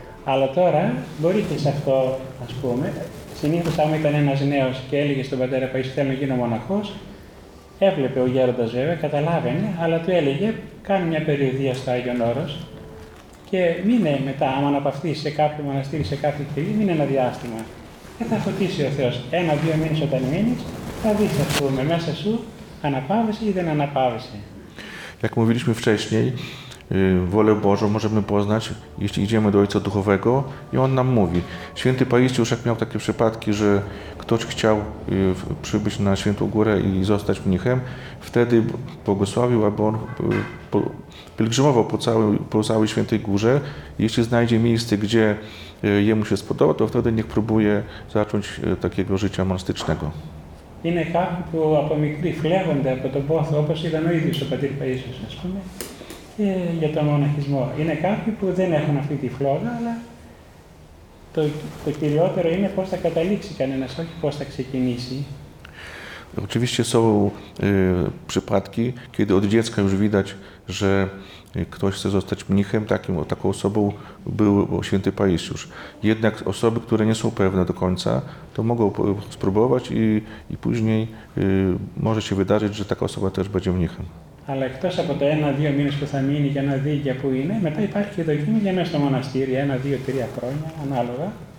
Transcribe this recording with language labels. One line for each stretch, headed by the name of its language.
Greek: Αλλά τώρα μπορεί και σε αυτό, ας πούμε, συνήθως άμα ήταν ένας νέος και έλεγε στον πατέρα Παΐσιο θέλω να γίνω μοναχός, έβλεπε ο γέροντας βέβαια, καταλάβαινε, αλλά του έλεγε κάνει μια περιοδία στο Άγιον Όρος και μείνε μετά, άμα αναπαυθείς σε κάποιο μοναστήρι, σε κάποιο κελί, μείνε ένα διάστημα. Και θα φωτίσει ο Θεός. Ένα-δύο μήνες όταν μείνεις, θα δεις, ας πούμε, μέσα σου αναπαύεσαι ή δεν αναπαύεσαι.
Polish: Jak mówiliśmy wcześniej, wolę Bożą możemy poznać, jeśli idziemy do Ojca Duchowego i On nam mówi. Święty Paisiusz już jak miał takie przypadki, że ktoś chciał przybyć na Świętą Górę i zostać mnichem, wtedy błogosławił, aby on pielgrzymował po całej Świętej Górze. Jeśli znajdzie miejsce, gdzie jemu się spodoba, to wtedy niech próbuje zacząć takiego życia monastycznego.
Greek: Είναι κάποιοι που από μικροί φλέγονται από τον πόθο, όπως ήταν ο ίδιος ο πατήρ Παΐσιος, ας πούμε, και για τον μοναχισμό. Είναι κάποιοι που δεν έχουν αυτή τη φλόγα, αλλά το κυριότερο είναι πώς θα καταλήξει κανένας, όχι πώς θα ξεκινήσει.
Polish: Oczywiście są przypadki, kiedy od dziecka już widać, że ktoś chce zostać mnichem, takim, taką osobą był święty Paisiusz. Jednak osoby, które nie są pewne do końca, to mogą spróbować i później może się wydarzyć, że taka osoba też będzie mnichem. Ale ktoś
Greek: από to 1-2 minus που θα μείνει για να δει για πού είναι, μετά υπάρχει και δοκίμη για μέσα στο μοναστήρι, 1-2-3 χρόνια, ανάλογα.